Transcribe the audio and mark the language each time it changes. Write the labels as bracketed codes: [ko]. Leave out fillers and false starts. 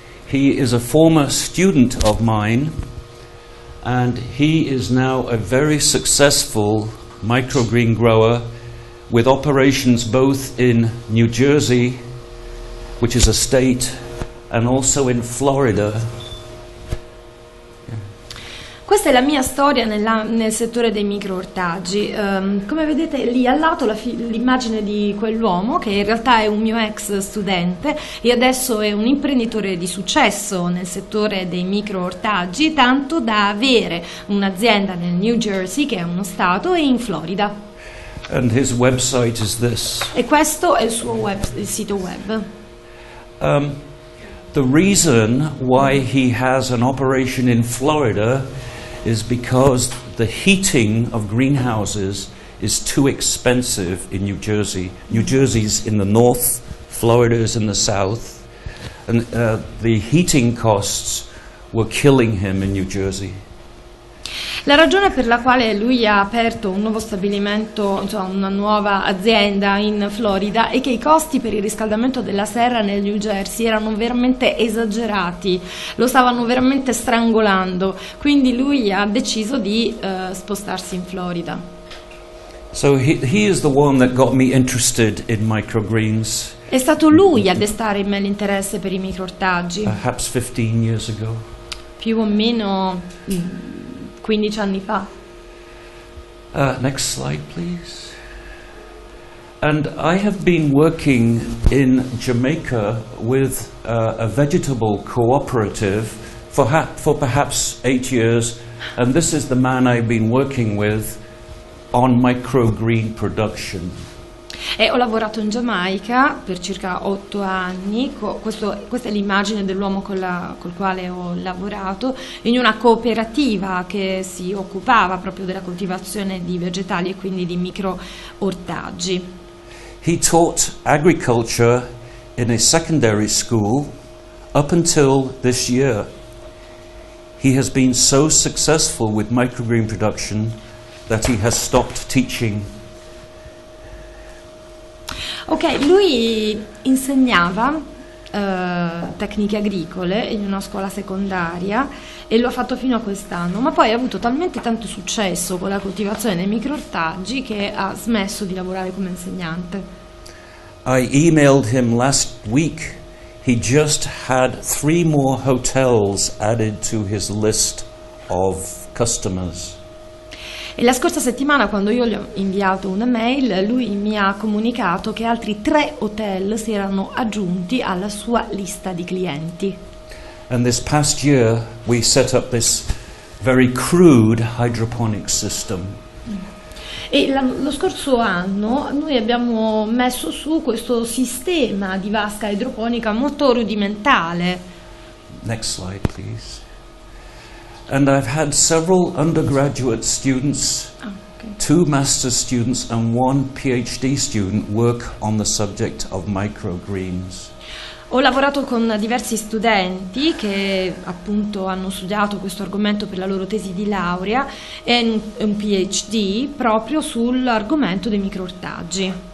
[en] He is a former student of mine, and he is now a very successful microgreen grower with operations both in New Jersey, which is a state, and also in Florida. [it] Questa è la mia storia nel settore dei microortaggi. Come vedete lì al lato l'immagine di quell'uomo che in realtà è un mio ex studente e adesso è un imprenditore di successo nel settore dei microortaggi, tanto da avere un'azienda nel New Jersey, che è uno stato, e in Florida. [en] And his website is this. [it] E questo è il sito web. [en] The reason why he has an operation in Florida is because the heating of greenhouses is too expensive in New Jersey. New Jersey's in the north, Florida's in the south, and the heating costs were killing him in New Jersey. [it] La ragione per la quale lui ha aperto un nuovo stabilimento, insomma una nuova azienda in Florida, è che i costi per il riscaldamento della serra nel New Jersey erano veramente esagerati, lo stavano veramente strangolando, quindi lui ha deciso di spostarsi in Florida. [en] So he is the one that got me interested in microgreens. [it] È stato lui a destare in me l'interesse per i microortaggi. [en] Perhaps 15 years ago. [it] Più o meno 15 anni fa. [en] Next slide, please. And I have been working in Jamaica with a vegetable cooperative for perhaps 8 years, and this is the man I've been working with on microgreen production. [it] E ho lavorato in Giamaica per circa 8 anni, questa è l'immagine dell'uomo col quale ho lavorato, in una cooperativa che si occupava proprio della coltivazione di vegetali e quindi di microortaggi. [en] He taught agriculture in a secondary school up until this year. He has been so successful with microgreen production that he has stopped teaching. [it] Ok, lui insegnava tecniche agricole in una scuola secondaria e lo ha fatto fino a quest'anno, ma poi ha avuto talmente tanto successo con la coltivazione dei microortaggi che ha smesso di lavorare come insegnante. [en] I emailed him last week. He just had 3 more hotels added to his list of customers. [it] E la scorsa settimana, quando io gli ho inviato una mail, lui mi ha comunicato che altri 3 hotel si erano aggiunti alla sua lista di clienti. [en] And this past year we set up this very crude hydroponic system. [it] E lo scorso anno noi abbiamo messo su questo sistema di vasca idroponica molto rudimentale. [en] Next slide, please. And I've had several undergraduate students Two master's students and one PhD student work on the subject of microgreens. [it] Ho lavorato con diversi studenti che appunto hanno studiato questo argomento per la loro tesi di laurea e un PhD proprio sull'argomento dei microortaggi.